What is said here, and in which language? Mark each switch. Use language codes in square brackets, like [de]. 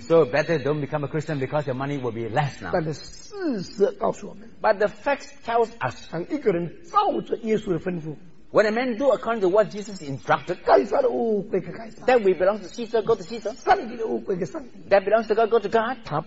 [en] So better don't become a Christian because your money will be less now. [zh] 但是事实告诉我们, [en] but the facts tells us, [zh] 当一个人照着耶稣的吩咐, [en] when a man do according to what Jesus instructed, [zh] 该杀的物归给该杀, [en] that we belong to Caesar, go to Caesar. [zh] 上帝的物归给上帝, [en] that belongs to God, go to God.